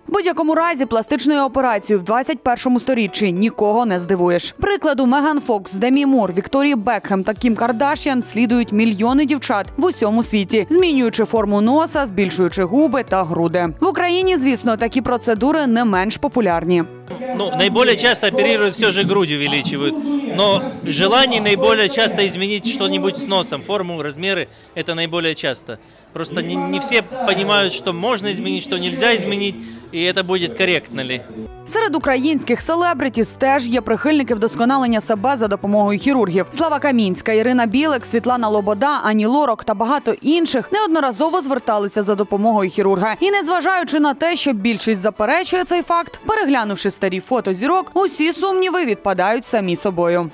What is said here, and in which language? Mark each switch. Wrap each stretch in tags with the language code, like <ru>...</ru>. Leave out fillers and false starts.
<uk>В будь-якому разі пластичною операцією в 21-му сторіччі нікого не здивуєш. Прикладу Меган Фокс, Демі Мур, Вікторії Бекхем та Кім Кардашян слідують мільйони дівчат в усьому світі, змінюючи форму носа, збільшуючи губи та груди. В Україні, звісно, такі процедури не менш популярні.</uk> <ru>Ну, наиболее часто оперируют все же грудь увеличивают, но желание наиболее часто изменить что-нибудь с носом, форму, размеры, это наиболее часто. Просто не все понимают, что можно изменить, что нельзя изменить, и это будет корректно ли.</ru> <uk>Серед українських селебритів теж є прихильники вдосконалення себе за допомогою хірургів. Слава Камінська, Ірина Білик, Світлана Лобода, Ані Лорок та багато інших неодноразово зверталися за допомогою хірурга. І незважаючи на те, що більшість заперечує цей факт, переглянувши старі фото зірок, усі сумніви відпадають самі собою.</uk>